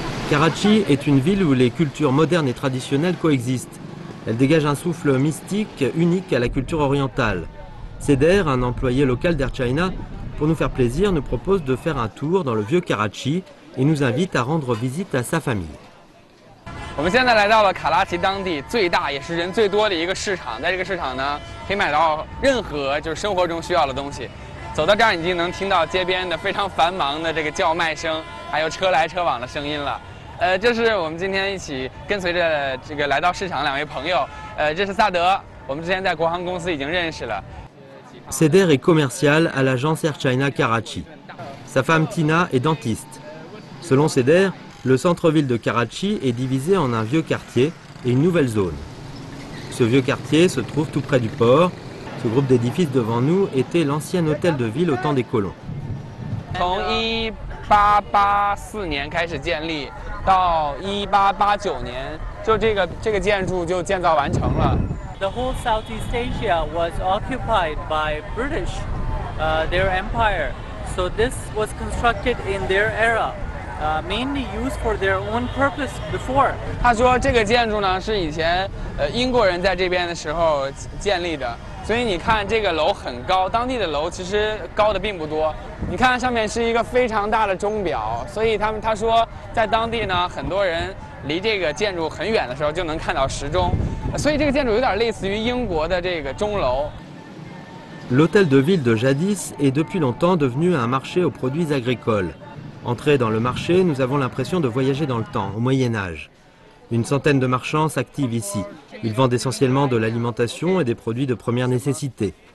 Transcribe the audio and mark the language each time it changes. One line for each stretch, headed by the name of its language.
French: Karachi est une ville où les cultures modernes et traditionnelles coexistent. Elle dégage un souffle mystique unique à la culture orientale. Seder, un employé local d'Air China, pour nous faire plaisir, nous propose de faire un tour dans le vieux Karachi et nous invite à rendre visite à sa famille.
Chinese: 我们现在来到了卡拉奇当地最大也是人最多的一个市场，在这个市场呢，可以买到任何就是生活中需要的东西。走到这儿，已经能听到街边的非常繁忙的这个叫卖声，还有车来车往的声音了。就是我们今天一起跟随着这个来到市场两位朋友，这是萨德，我们之前在国航公司已经认识了。
French: Seder est commercial à l'agence Air China Karachi. Sa femme Tina est dentiste. Selon Seder, le centre-ville de Karachi est divisé en un vieux quartier et une nouvelle zone. Ce vieux quartier se trouve tout près du port. Ce groupe d'édifices devant nous était l'ancien hôtel de ville au temps des colons.
English: The whole Southeast Asia was occupied by British, their empire. So this was constructed in their era, mainly used for their own purpose before.
Chinese: 他说这个建筑呢是以前英国人在这边的时候建立的。所以你看这个楼很高，当地的楼其实高的并不多。你看上面是一个非常大的钟表，所以他说在当地呢，很多人离这个建筑很远的时候就能看到时钟，所以这个建筑有点类似于英国的这个钟楼。
French: L'hôtel de ville de jadis est depuis longtemps devenu un marché aux produits agricoles. Entrer dans le marché, nous avons l'impression de voyager dans le temps, au Moyen Âge. Une centaine de marchands s'activent ici. Ils vendent essentiellement de l'alimentation et des produits de première nécessité.